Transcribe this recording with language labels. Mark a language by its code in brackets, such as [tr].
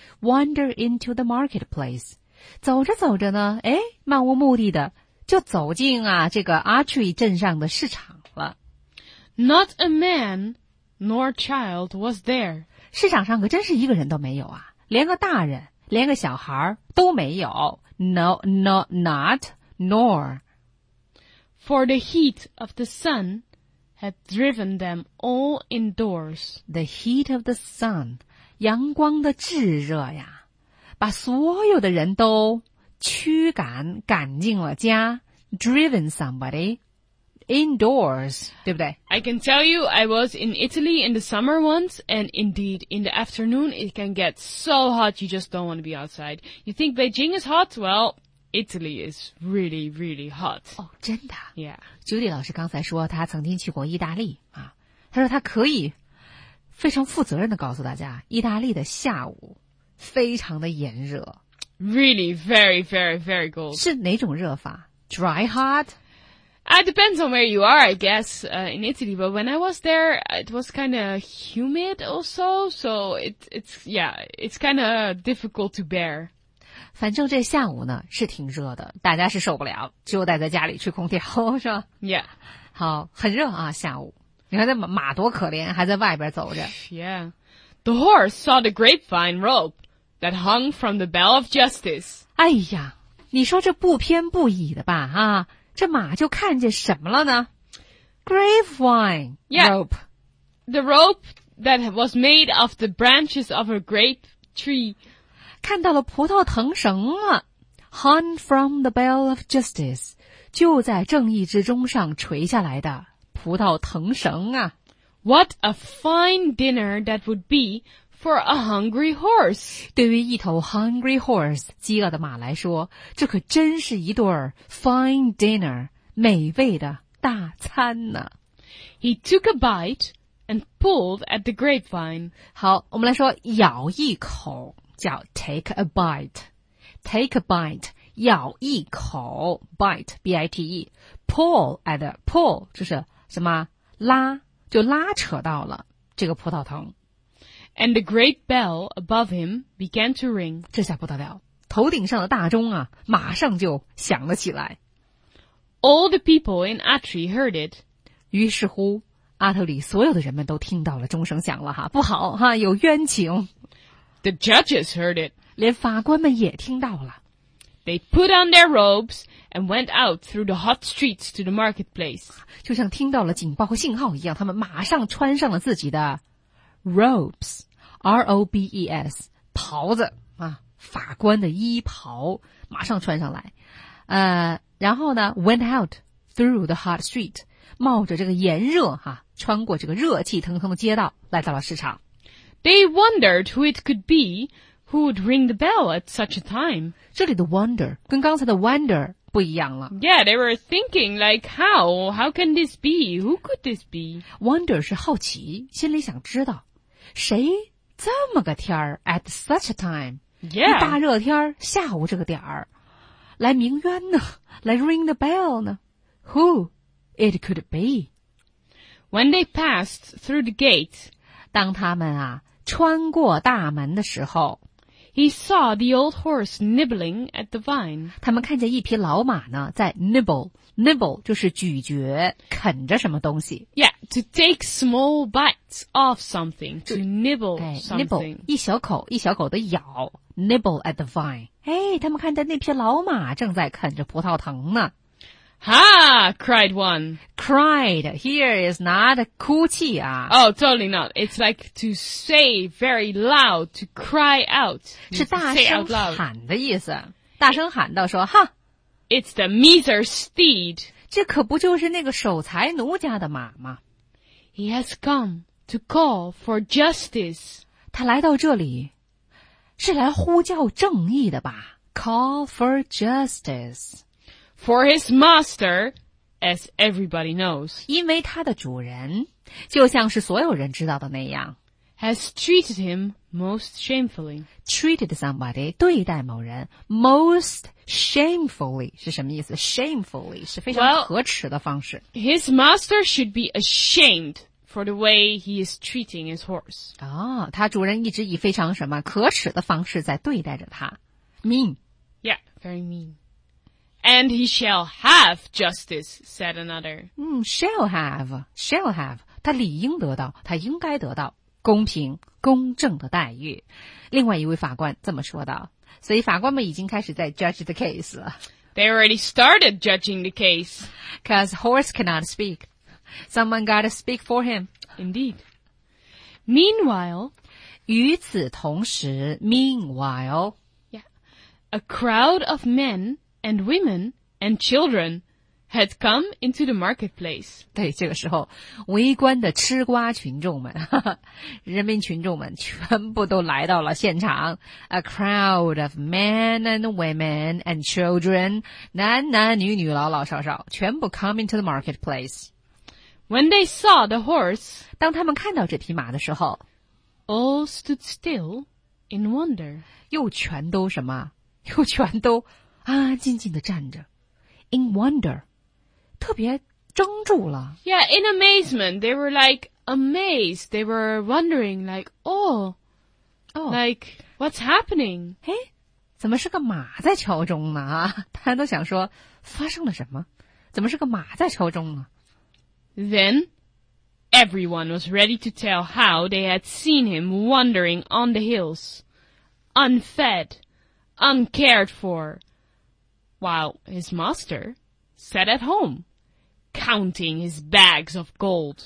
[en] Wander into the marketplace. [zh] 走着走着呢，诶，漫无目的的，就走进啊这个 Archery 镇上的市场了。 [en] Not a man nor child was there. [zh] 市场上可真是一个人都没有啊，连个大人，连个小孩都没有。 [en] No, no, not, nor. For the heat of the sun had driven them all indoors. The heat of the sun, [zh] 阳光的炙热呀，把所有的人都驱赶，赶进了家。 [en] Driven somebody. Indoors, [zh] 对不对? [en] I can tell you, I was in Italy in the summer once, and indeed, in the afternoon, it can get so hot, you just don't want to be outside. You think Beijing is hot? Well, Italy is really, really hot. [zh] Oh, 真的? [en] Yeah. [zh] Judy 老师刚才说她曾经去过意大利啊，她说她可以非常负责任地告诉大家，意大利的下午非常的炎热。 [en] Really, very, very, very cold. [zh] 是哪种热法? [en] Dry hot? It depends on where you are, I guess, in Italy, but when I was there, it was kind of humid also, so it's kind of difficult to bear. [zh] 反正这下午呢是挺热的，大家是受不了，就待在家里吹空调，是吧？ [en] Yeah， [zh] 好，很热啊，下午。你看这马多可怜，还在外边走着。 [en] Yeah， the horse saw the grapevine rope that hung from the bell of justice。 [zh] 哎呀，你说这不偏不倚的吧？啊，这马就看见什么了呢 ？ [en] Grapevine rope， the rope that was made of the branches of a grape tree。 [zh] 看到了葡萄藤绳了 ， [en] hung from the bell of justice， [zh] 就在正义之钟上垂下来的葡萄藤绳啊 [en] ！What a fine dinner that would be for a hungry horse！ [zh] 对于一头 [en] hungry horse [zh] 饥饿的马来说，这可真是一对 [en] fine dinner [zh] 美味的大餐呢、啊。 [en] He took a bite and pulled at the grapevine。 [zh] 好，我们来说咬一口。叫 [en] take a bite，take a bite， [zh] 咬一口 ，bite，b-i-t-e， [en] pull at pull [zh] 就是什么拉，就拉扯到了这个葡萄藤。 [en] And the great bell above him began to ring。 [zh] 这下不得了，头顶上的大钟啊，马上就响了起来。 [en] All the people in Atri heard it。 [zh] 于是乎，阿特里所有的人们都听到了钟声响了哈，不好哈，有冤情。 [en] The judges heard it. [zh] 连法官们也听到了。 [en] They put on their robes and went out through the hot streets to the marketplace. [zh] 就像听到了警报和信号一样，他们马上穿上了自己的 robes, R-O-B-E-S, 袍子啊，法官的衣袍，马上穿上来。然后呢 ， [en] went out through the hot street, [zh] 冒着这个炎热哈、啊，穿过这个热气腾腾的街道，来到了市场。 [en] They wondered who it could be who would ring the bell at such a time. [zh] 这里的 wonder 跟刚才的 wonder 不一样了。 [en] Yeah, they were thinking like how can this be? Who could this be? [zh] Wonder 是好奇，心里想知道，谁这么个天儿 [en] at such a time? Yeah, [zh] 大热天儿下午这个点儿，来鸣冤呢？来 [en] ring the bell [zh] 呢 ？ [en] Who it could be? When they passed through the gate. [zh] 当他们啊穿过大门的时候 [en] ，He saw the old horse nibbling at the vine。 [zh] 他们看见一匹老马呢在 nibble 就是咀嚼啃着什么东西。 [en] Yeah, to take small bites of something, to nibble something。 [zh] Nibble 一小口一小口的咬 ， [en] nibble at the vine。 [zh] 哎，他们看见那匹老马正在啃着葡萄藤呢。 [en] Ha! Cried one. Cried. Here is not [zh] 哭泣啊。 [en] Oh, totally not. It's like to say very loud, to cry out. [zh] 是大声喊的意思。大声喊到说哈。 [en] It's the miser steed. [zh] 这可不就是那个守财奴家的马吗 [en] ？He has come to call for justice. [zh] 他来到这里，是来呼叫正义的吧 ？ [en] Call for justice. For his master, as everybody knows. [zh] 因为他的主人就像是所有人知道的那样 [en] has treated him most shamefully. Treated somebody, [zh] 对待某人 [en] most shamefully, [zh] 是什么意思 shamefully, 是非常可耻的方式 [en] well, His master should be ashamed for the way he is treating his horse. [zh] 哦，他主人一直以非常什么可耻的方式在对待着他 Mean. [en] Yeah, very mean. And he shall have justice, said another. Shall have. [zh] 他理应得到，他应该得到公平、公正的待遇。另外一位法官这么说道。所以法官们已经开始在 [en] judge the case [zh] 了。 [en] They already started judging the case. Because horse cannot speak. Someone got to speak for him. Indeed. Meanwhile, [zh] 与此同时 meanwhile, [en] a crowd of men... And women and children had come into the marketplace. [zh] 对，这个时候，围观的吃瓜群众们，呵呵，人民群众们全部都来到了现场。 [en] A crowd of men and women and children, [zh] 男男女女老老少少，全部 [en] come into the marketplace. When they saw the horse, [zh] 当他们看到这匹马的时候 [en] all stood still in wonder. [zh] 又全都什么？又全都啊，静静地站着 ， [en] in wonder， [zh] 特别怔住了。 [en] Yeah, in amazement, they were like amazed. They were wondering, like, oh, like what's happening? [zh] 嘿，怎么是个马在敲钟呢？大家都想说发生了什么？怎么是个马在敲钟呢？ [en] Then everyone was ready to tell how they had seen him wandering on the hills, unfed, uncared for, while his master sat at home, counting his bags of gold.